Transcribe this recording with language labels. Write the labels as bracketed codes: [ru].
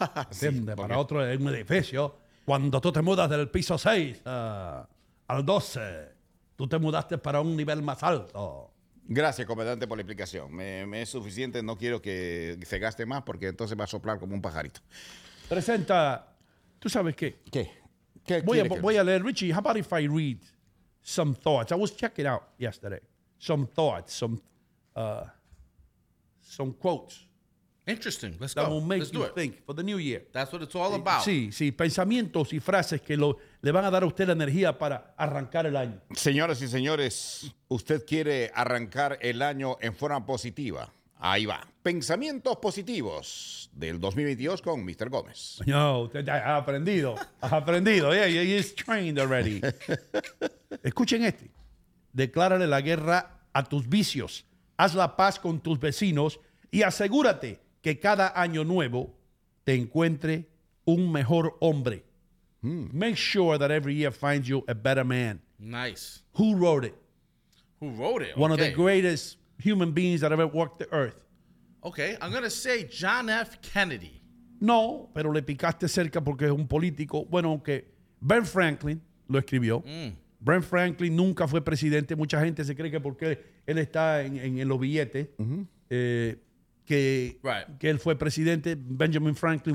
[es] ¿Entiende? Sí, para otro en un edificio. Cuando tú te mudas del piso 6 al 12, tú te mudaste para un nivel más alto. Gracias, comandante, por la explicación. Me es suficiente, no quiero que se gaste más porque entonces va a soplar como un pajarito. Presenta, ¿tú sabes qué? ¿Qué? ¿Qué voy a leer, [en] Richie, how about if I read some thoughts? I was checking out yesterday. Some thoughts, some quotes. Interesting, let's that go. That will make let's you think for the new year. That's what it's all about. [es] Sí, pensamientos y frases que le van a dar a usted la energía para arrancar el año. Señoras y señores, usted quiere arrancar el año en forma positiva. Ahí va. Pensamientos positivos del 2022 con Mr. Gómez. No, usted ya ha aprendido. Ha aprendido. [en] Yeah, he is trained already. [es] Escuchen este. Declárale la guerra a tus vicios. Haz la paz con tus vecinos y asegúrate que cada año nuevo te encuentre un mejor hombre. Mm. [en] Make sure that every year finds you a better man. Nice. Who wrote it? Who wrote it? One of the greatest human beings that ever walked the earth. Okay, I'm going to say John F. Kennedy. [es] No, pero le picaste cerca porque es un político. Bueno, aunque Ben Franklin lo escribió. Mm. Ben Franklin nunca fue presidente. Mucha gente se cree que porque él está en los billetes. Que él fue presidente. Benjamin Franklin